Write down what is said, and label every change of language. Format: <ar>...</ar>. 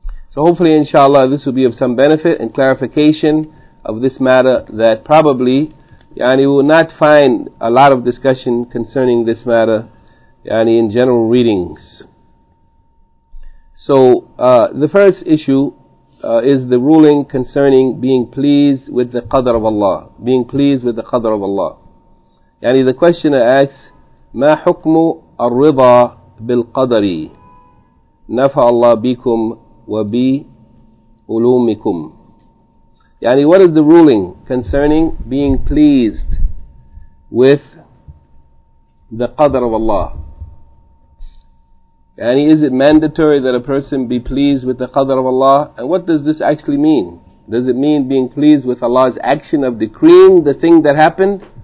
<en>So hopefully, inshallah, this will be of some benefit and clarification of this matter that probably, yani, we will not find a lot of discussion concerning this matter, yani, in general readings. So, the first issue is the ruling concerning being pleased with the Qadr of Allah. Being pleased with the Qadr of Allah.</en> <ar>Yani</ar> <en>the questioner asks,</en> <ar>مَا حُكْمُ الرِّضَى بِالْقَدَرِ نَفَعَ اللَّهُ بِكُمْ وَبِأُلُومِكُمْ.</ar> <en>Yani what is the ruling concerning being pleased with the Qadr of Allah? Yani, is it mandatory that a person be pleased with the Qadr of Allah? And what does this actually mean? Does it mean being pleased with Allah's action of decreeing the thing that happened?</en>